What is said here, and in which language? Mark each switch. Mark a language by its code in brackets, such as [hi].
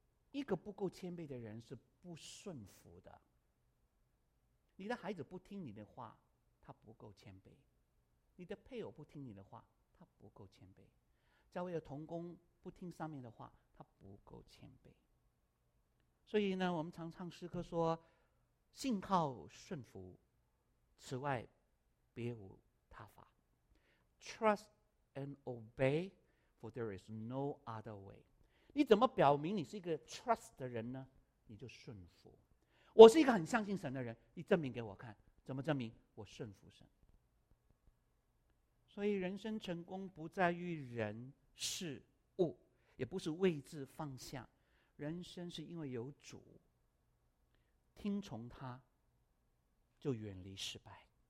[zh] 一个不够谦卑的人是不顺服的，你的孩子不听你的话他不够谦卑，你的配偶不听你的话他不够谦卑。教会的同工不听上面的话，他不够谦卑。所以呢，我们常唱诗歌说，信靠顺服，此外别无他法。 [en] Trust and obey, for there is no other way。 [zh] 你怎么表明你是一个 trust 的人呢？你就顺服。我是一个很相信神的人，你证明给我看。怎么证明？我顺服神。所以人生成功不在于人事物，也不是位置放下，人生是因为有主，听从他就远离失败。